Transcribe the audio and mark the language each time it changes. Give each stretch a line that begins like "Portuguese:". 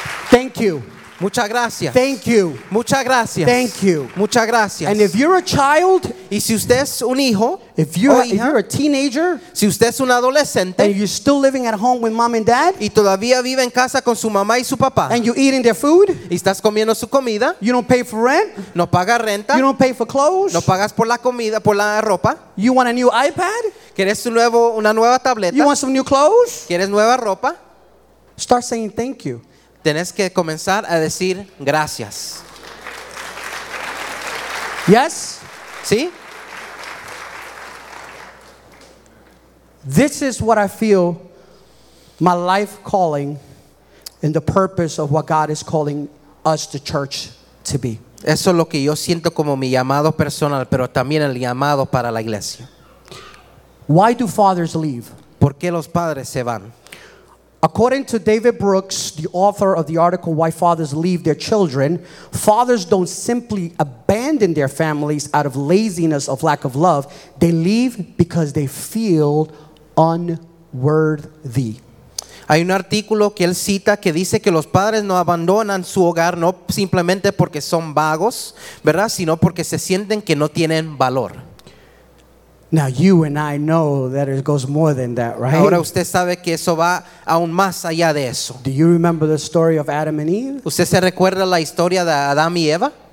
English: Thank you.
Spanish: Muchas gracias.
English: Thank you.
Spanish: Muchas gracias.
English: Thank you.
Spanish: Muchas gracias.
English: And if you're a child,
Spanish: y si usted es un hijo,
English: if you
Spanish: o hija,
English: if you're a teenager,
Spanish: si usted es un adolescente,
English: and you're still living at home with mom and dad,
Spanish: y todavía vive en casa con su mamá y su papá,
English: and you're eating their food,
Spanish: y estás comiendo su comida,
English: you don't pay for rent,
Spanish: no paga renta,
English: you don't pay for clothes,
Spanish: no pagas por la comida, por la ropa,
English: you want a new iPad,
Spanish: quieres una nueva tableta,
English: you want some new clothes,
Spanish: quieres nueva ropa,
English: start saying thank you.
Spanish: Tienes que comenzar a decir gracias.
English: Yes?
Spanish: ¿Sí?
English: This is what I feel my life calling and the purpose of what God is calling us to church to be.
Spanish: Eso es lo que yo siento como mi llamado personal, pero también el llamado para la iglesia.
English: Why do fathers leave?
Spanish: ¿Por qué los padres se van?
English: According to David Brooks, the author of the article Why Fathers Leave Their Children, fathers don't simply abandon their families out of laziness or lack of love. They leave because they feel unworthy.
Spanish: Hay un artículo que él cita que dice que los padres no abandonan su hogar no simplemente porque son vagos, ¿verdad? Sino porque se sienten que no tienen valor.
English: Now you and I know that it goes more than that, right?
Spanish: Ahora usted sabe que eso va aún más allá de eso.
English: Do you remember the story of Adam and Eve?
Spanish: ¿Usted se recuerda la historia de Adán y Eva?